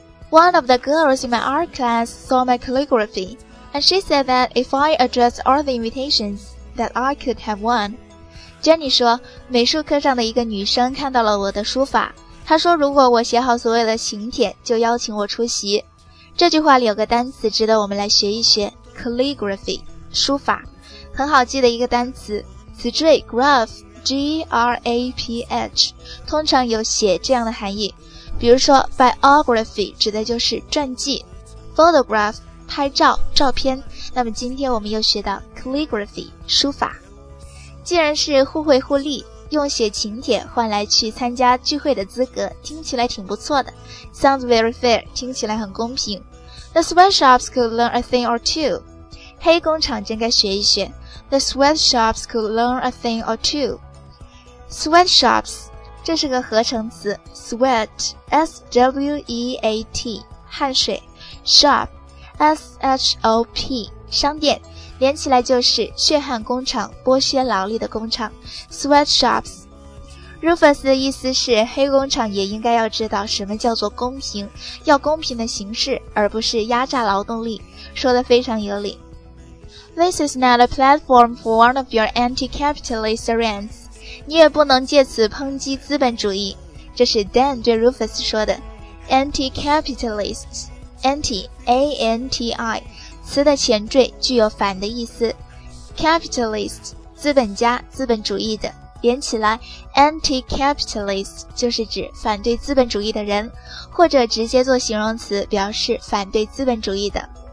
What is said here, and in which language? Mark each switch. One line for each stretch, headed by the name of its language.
English: One of the girls in my art class saw my calligraphyAnd she said that if I addressed all the invitations, that I could have won.
Chinese: Jenny 说，美术课上的一个女生看到了我的书法，她说如果我写好所有的请帖，就邀请我出席。这句话里有个单词值得我们来学一学 ,calligraphy, 书法。很好记的一个单词，词缀 graph, G-R-A-P-H, 通常有写这样的含义。比如说 biography 指的就是传记 ,photograph,拍照、照片。那么今天我们又学到 calligraphy 书法。既然是互惠互利，用写请帖换来去参加聚会的资格，听起来挺不错的。
English: Sounds very fair,
Chinese: 听起来很公平。
English: The sweatshops could learn a thing or two.
Chinese: 黑工厂真该学一学。
English: The sweatshops could learn a thing or two.
Chinese: Sweatshops, 这是个合成词。Sweat, S-W-E-A-T, 汗水。 Shop,S-H-O-P, 商店，连起来就是血汗工厂，剥削劳力的工厂 ,sweatshops。 Rufus 的意思是黑工厂也应该要知道什么叫做公平，要公平的形式，而不是压榨劳动力，说得非常有理。
English: This is not a platform for one of your anti-capitalist rants.
Chinese: 你也不能借此抨击资本主义。这是 Dan 对 Rufus 说的 ,anti-capitalists。 Anti, A-N-T-I, 词的前缀具有反的意思。 Capitalist, 资本家、资本主义的。连起来 ,anti-capitalist, 就是指反对资本主义的人，或者直接做形容词表示反对资本主义的。